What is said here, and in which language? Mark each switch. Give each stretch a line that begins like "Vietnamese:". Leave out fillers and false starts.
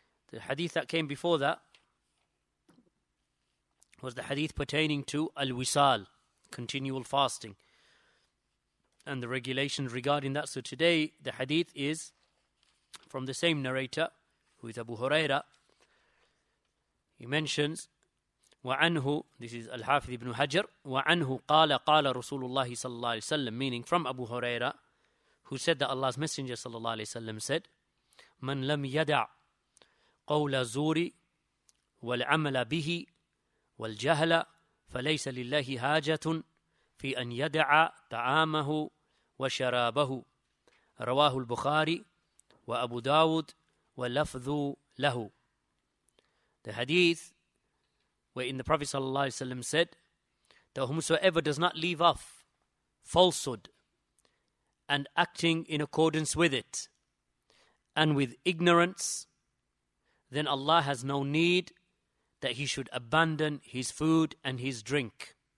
English: The hadith that came before that was the hadith pertaining to al-wisal, continual fasting, and the regulations regarding that. So today the hadith is from the same narrator, who is Abu Huraira. He mentions,
Arabic: وعنه,
English: this is Al-Hafidh ibn Hajar,
Arabic: وعنه قال قال رسول الله صلى الله عليه وسلم,
English: meaning from Abu Huraira, who said that Allah's Messenger
Arabic: صلى الله عليه وسلم said, من لم يدع قول زور والعمل به والجهل فليس لله حاجة في أن يدع طعامه وشرابه. رواه البخاري وأبو داود ولفظ له.
English: The hadith wherein the Prophet sallallahu alaihi wasallam said that whosoever does not leave off falsehood and acting in accordance with it and with ignorance, then Allah has no need that he should abandon his food and his drink.